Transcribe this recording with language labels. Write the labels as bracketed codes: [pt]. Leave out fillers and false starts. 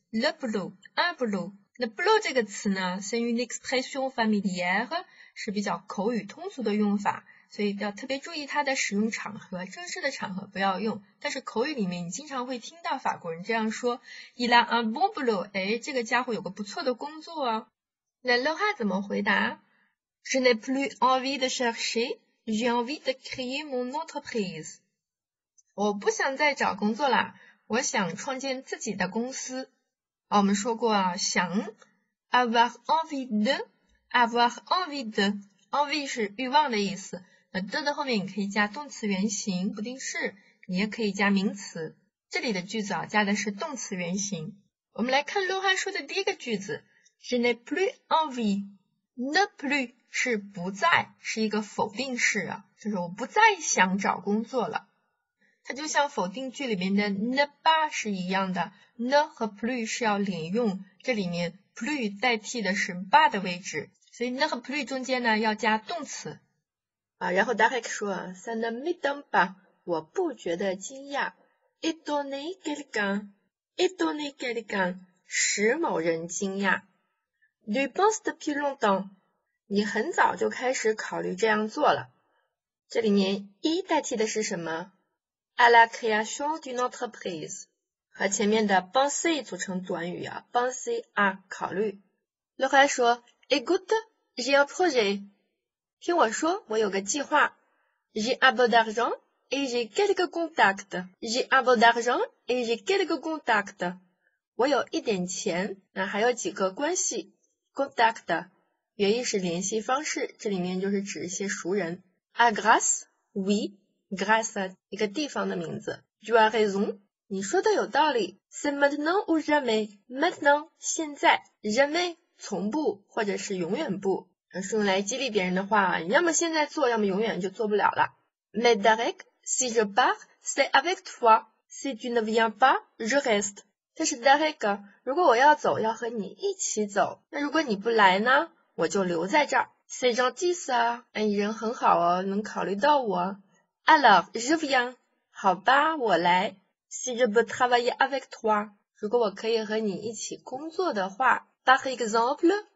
[zh] le boulot， un boulot。那 boulot 这个词呢 ， c'est une expression familière，是比较口语通俗的用法，所以要特别注意它的使用场合，正式的场合不要用。但是口语里面你经常会听到法国人这样说 ： il a un bon boulot，哎，这个家伙有个不错的工作哦。 [fr] 那 le roi 怎么回答？Je n'ai plus envie de chercher。 J'ai envie de créer mon entreprise. [zh] 我不想再找工作啦，我想创建自己的公司。我们说过啊，想 avoir envie de， avoir envie de， envie 是欲望的意思。的后面你可以加动词原形不定式，你也可以加名词。这里的句子啊，加的是动词原形。我们来看洛汉说的第一个句子 ， Je n'ai plus envie。 Ne plus 是不再，是一个否定式啊，就是我不再想找工作了。它就像否定句里面的 ne pas 是一样的， ne 和 plus 是要连用，这里面 plus 代替的是 pas 的位置，所以 ne 和 plus 中间呢要加动词啊。然后 Derek 说 ça ne m'étonne pas，我不觉得惊讶。 étonner quelqu'un 使某人惊讶。 Tu penses depuis longtemps，你很早就开始考虑这样做了。这里面一代替的是什么？ À la création d'une entreprise，和前面的 penser 组成短语啊 ，penser 啊，考虑。 [fr] Le roi 说 ，Écoute, j'ai un projet. [zh] 听我说，我有个计划。 [fr] J'ai un peu d'argent et j'ai quelques contacts. J'ai un peu d'argent et j'ai quelques contacts. [zh] 我有一点钱，那还有几个关系。Contact 原意是联系方式，这里面就是指一些熟人。 À Grasse, oui, Grasse 一个地方的名字。 [fr] Tu as raison. [zh] 你说的有道理 c'est maintenant ou jamais maintenant 现在 jamais 从不或者是永远不是用来激励别人的话要么现在做要么永远就做不了了 mais Derek si je pars c'est avec toi si tu ne viens pas je reste 这是 Derek 如果我要走要和你一起走那如果你不来呢我就留在这儿 c'est gentil ça 你人很好哦能考虑到我 alors je viens 好吧我来 Si je peux travailler avec toi, 如果我可以和你一起工作的话 par exemple,